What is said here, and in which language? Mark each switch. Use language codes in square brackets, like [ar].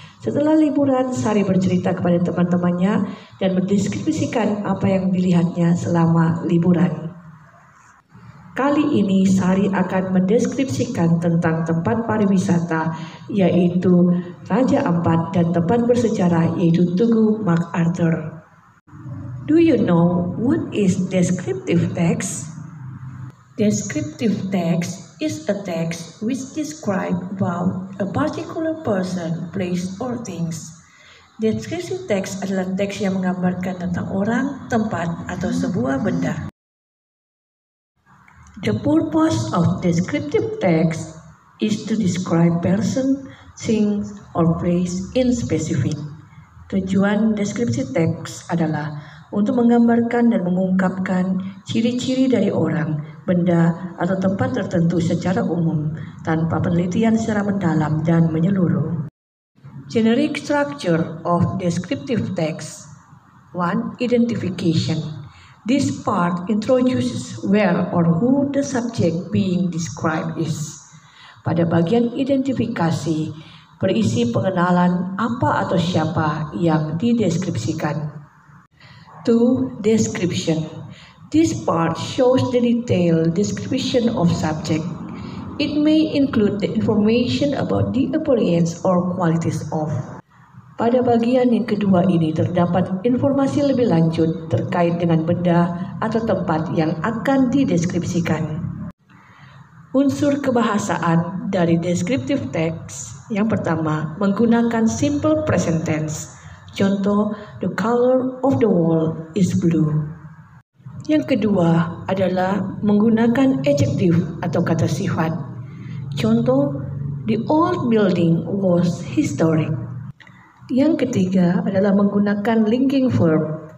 [id] Setelah liburan, Sari bercerita kepada teman-temannya dan mendeskripsikan apa yang dilihatnya selama liburan. Kali ini Sari akan mendeskripsikan tentang tempat pariwisata yaitu Raja Ampat dan tempat bersejarah yaitu Tugu MacArthur. [en] Do you know what is descriptive text? Descriptive text is a text which describes about a particular person, place, or things. [id] Descriptive text adalah teks yang menggambarkan tentang orang, tempat, atau sebuah benda. [en] The purpose of descriptive text is to describe person, things, or place in specific. [id] Tujuan deskripsi teks adalah untuk menggambarkan dan mengungkapkan ciri-ciri dari orang, benda, atau tempat tertentu secara umum, tanpa penelitian secara mendalam dan menyeluruh. [en] Generic structure of descriptive text. 1. Identification. This part introduces where or who the subject being described is. [id] Pada bagian identifikasi, berisi pengenalan apa atau siapa yang dideskripsikan. [en] 2. Description. This part shows the detailed description of subject. It may include the information about the appearance or qualities of. [id] Pada bagian yang kedua ini terdapat informasi lebih lanjut terkait dengan benda atau tempat yang akan dideskripsikan. Unsur kebahasaan dari descriptive text yang pertama menggunakan simple present tense. Contoh, [en] the color of the wall is blue. [id] Yang kedua adalah menggunakan adjective atau kata sifat. Contoh, [en] the old building was historic. [id] Yang ketiga adalah menggunakan linking verb.